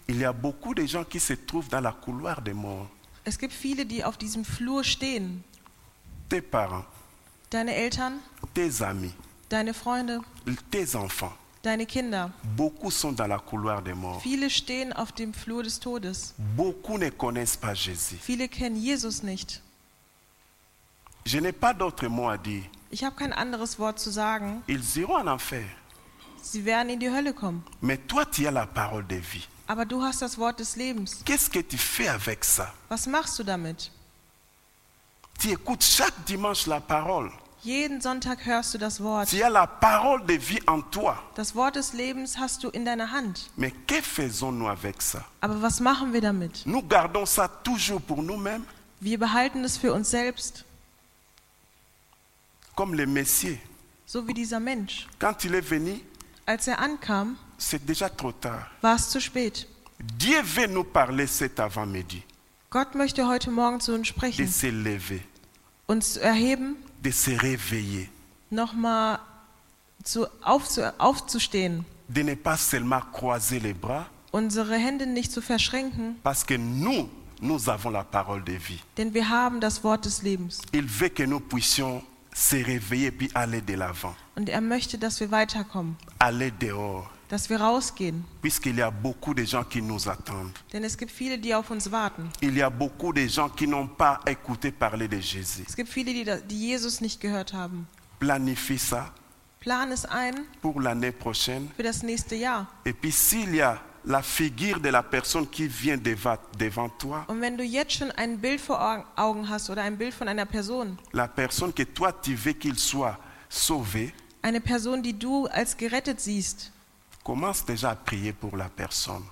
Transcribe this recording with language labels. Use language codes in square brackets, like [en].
[fr] Il y a beaucoup de gens qui se trouvent dans la couloir des morts. [de] Es gibt viele, die auf diesem Flur stehen. [fr] Tes parents. [de] Deine Eltern. [fr] Tes amis. [de] Deine Freunde. [fr] Tes enfants. [de] Deine Kinder. [fr] Beaucoup sont dans la couloir des morts. [de] Viele stehen auf dem Flur des Todes. [fr] Beaucoup ne connaissent pas Jésus. [de] Viele kennen Jesus nicht. [fr] Je n'ai pas d'autre mot à dire. [de] Ich habe kein anderes Wort zu sagen. [fr] Ils iront en enfer. [de] Sie werden in die Hölle kommen. [fr] Mais toi, tu as la parole de vie. [de] Aber du hast das Wort des Lebens. [fr] Qu'est-ce que tu fais avec ça? [de] Was machst du damit? [fr] Tu écoutes chaque dimanche la parole. [de] Jeden Sonntag hörst du das Wort. [fr] Tu as la parole de vie en toi. [de] Das Wort des Lebens hast du in deiner Hand. [fr] Mais que faisons-nous avec ça? [de] Aber was machen wir damit? [fr] Nous gardons ça toujours pour nous-mêmes. [de] Wir behalten es für uns selbst. [fr] Comme le Messie. [de] So wie dieser Mensch. [fr] Quand il est venu, [de] als er ankam, [fr] c'est déjà trop tard. [de] War es zu spät. [fr] Dieu veut nous parler cet avant-midi. [de] Gott möchte heute Morgen zu uns sprechen. [fr] De se lever. [de] Uns erheben. [fr] De se réveiller. [de] Nochmal aufzustehen. [fr] De ne pas seulement croiser les bras. [de] Unsere Hände nicht zu verschränken. [fr] Parce que nous avons la parole de vie. [de] Denn wir haben das Wort des Lebens. [fr] Il veut que nous puissions se réveiller puis aller de l'avant. [de] Und er möchte, dass wir weiterkommen. [fr] Aller dehors. [de] Dass wir rausgehen. [fr] Puisqu'il y a beaucoup de gens qui nous attendent. [de] Denn es gibt viele, die auf uns warten. [fr] Il y a beaucoup de gens qui n'ont pas écouté parler de Jésus. [de] Es gibt viele, die Jesus nicht gehört haben. [fr] Planifie ça. [de] Plan es ein. [fr] Pour l'année prochaine. [de] Für das nächste Jahr. [fr] Et puis s'il y a la figure de la personne qui vient devant toi. [de] Und wenn du jetzt schon ein Bild vor Augen hast oder ein Bild von einer Person. [fr] La personne que toi tu veux qu'il soit sauvé. [de] Eine Person, die du als gerettet siehst. [fr] Commence déjà à prier pour la personne.